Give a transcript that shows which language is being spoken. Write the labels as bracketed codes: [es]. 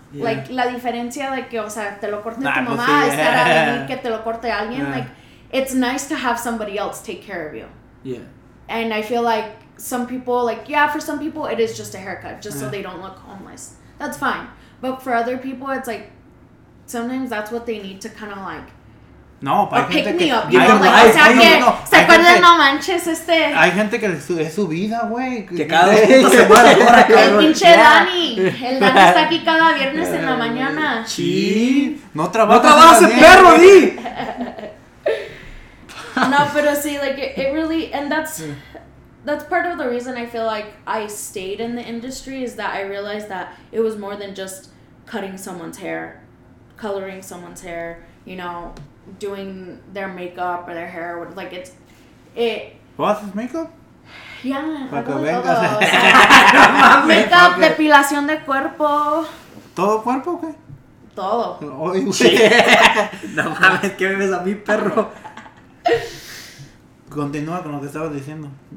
[en] Yeah. Like, [es] la diferencia de que, o sea, te lo corte tu mamá, estar a venir que te lo corte alguien, like, [en] it's nice to have somebody else take care of you. Yeah. And I feel like some people, like, yeah, for some people, it is just a haircut, just so they don't look homeless. That's fine. But for other people, it's like, sometimes that's what they need to kind of, like, [es] no, [en] a pick-me-up, you know, like, [es] o sea, que se acuerdan, no manches, este... Hay gente que es su vida, güey. Que cada vez se muere. El pinche Dani. El Dani está aquí cada viernes en la mañana. Sí. No trabaja. No trabaja ese perro, di. No, pero sí, [en] like, it really... And that's part of the reason I feel like I stayed in the industry is that I realized that it was more than just cutting someone's hair, coloring someone's hair, you know... doing their makeup or their hair, like, what is makeup? Yeah, [es] para que vengas. Makeup, depilación de cuerpo. ¿Todo cuerpo o qué? Todo. Oy, no mames, ¿qué bebes a mi perro? Continúa con lo que estabas diciendo.